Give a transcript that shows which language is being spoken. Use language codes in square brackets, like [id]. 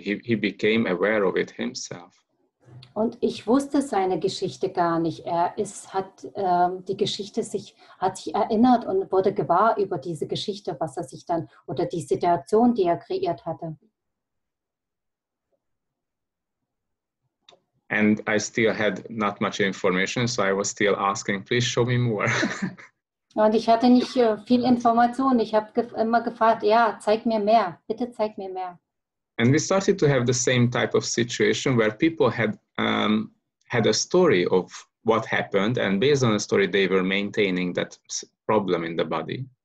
[en] He became aware of it himself. [de] Und ich wusste seine Geschichte gar nicht. Die Geschichte hat sich erinnert und wurde gewahr über diese Geschichte, was er sich dann oder die Situation, die er kreiert hatte. [en] And I still had not much information, so I was still asking, please show me more. [de] Und ich hatte nicht viel Information. Ich habe immer gefragt, ja, zeig mir mehr. Bitte zeig mir mehr. [en] And we started to have the same type of situation where people had had a story of what happened and based on the story they were maintaining that problem in the body.